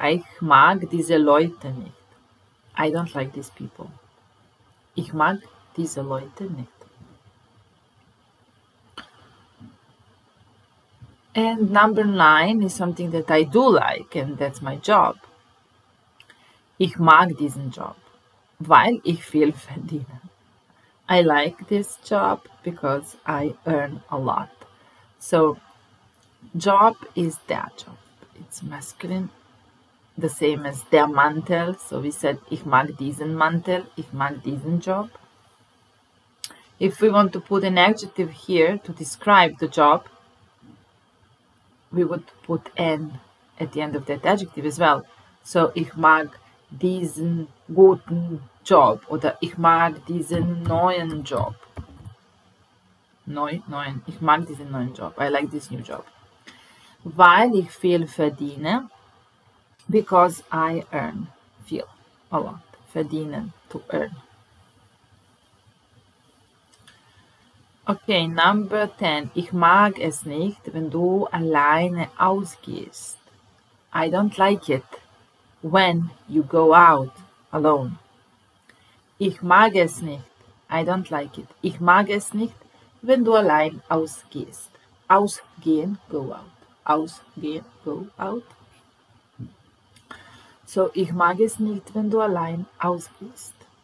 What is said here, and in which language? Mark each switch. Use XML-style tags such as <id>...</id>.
<de>Ich mag diese Leute nicht.</de> <en>I don't like these people.</en> <de>Ich mag diese Leute nicht.</de> <en>And number 9 is something that I do like, and that's my job.</en> <de>Ich mag diesen Job, weil ich viel verdiene.</de> <en>I like this job because I earn a lot. So, job is der Job. It's masculine, the same as der Mantel. So we said,</en> <de>ich mag diesen Mantel, ich mag diesen Job.</de> <en>If we want to put an adjective here to describe the job, we would put N at the end of that adjective as well.</en> <de>So, ich mag diesen guten Job oder ich mag diesen neuen Job. Neuen. Ich mag diesen neuen Job.</de> <en>I like this new job.</en> <de>Weil ich viel verdiene.</de> <en>Because I earn viel. A lot. Verdienen. To earn. Okay, number 10.</en> <de>Ich mag es nicht, wenn du alleine ausgehst.</de> <en>I don't like it when you go out alone.</en> <de>Ich mag es nicht.</de> <en>I don't like it.</en> <de>Ich mag es nicht, wenn du allein ausgehst. Ausgehen,</de> <en>go out.</en> <de>Ausgehen, go out. So, ich mag es nicht, wenn du allein ausgehst.</de>